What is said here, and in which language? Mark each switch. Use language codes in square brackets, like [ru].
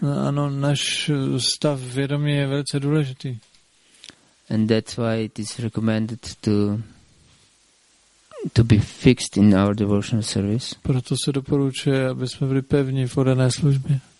[cs] Ano, náš stav vědomí je velice důležitý. [en] And that's why it is recommended to be fixed in our devotional service. [cs] Proto se doporučuje, aby jsme byli pevní v odané službě.